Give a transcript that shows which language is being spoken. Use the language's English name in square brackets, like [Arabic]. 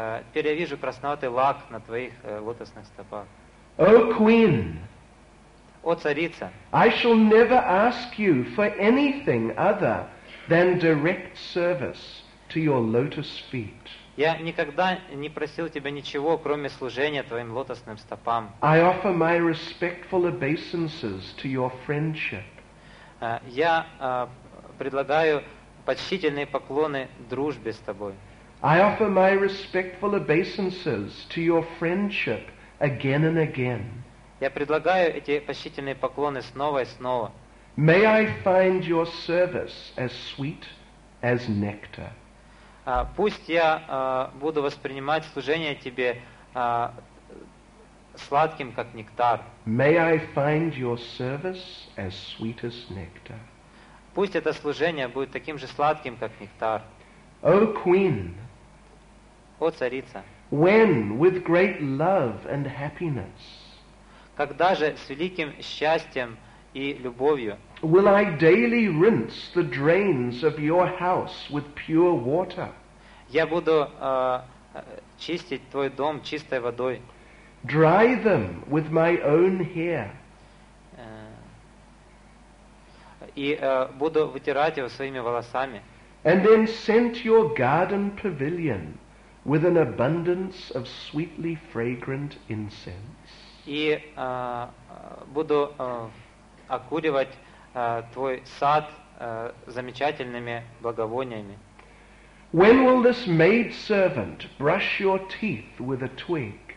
[Russian] Теперь я вижу красноватый лак на твоих лотосных стопах. [English] О, queen. [Russian] О, царица. [English] I shall never ask you for anything other than direct service to your lotus feet. [Russian] Я никогда не просил тебя ничего, кроме служения твоим лотосным стопам. [English] I offer my respectful obeisances to your friendship. [Russian] Я предлагаю почтительные поклоны дружбе с тобой. [English] I offer my respectful obeisances to your friendship again and again. [Russian] Я предлагаю эти почтительные поклоны снова и снова. [English] May I find your service as sweet as nectar. [Russian] Пусть я буду воспринимать служение тебе сладким, как нектар. [English] May I find your service as sweet as nectar. [Russian] Пусть это служение будет таким же сладким, как нектар. [English] О, queen. [Russian] О, царица. [English] When with great love and happiness. [Russian] Когда же с великим счастьем и любовью? [English] Will I daily rinse the drains of your house with pure water? [Russian] Я буду чистить твой дом чистой водой. [English] Dry them with my own hair. [Russian] И буду вытирать его своими волосами. [English] And then scent your garden pavilion with an abundance of sweetly fragrant incense. [Russian] И буду окуривать твой сад замечательными благовониями. [English] When will this maid servant brush your teeth with a twig?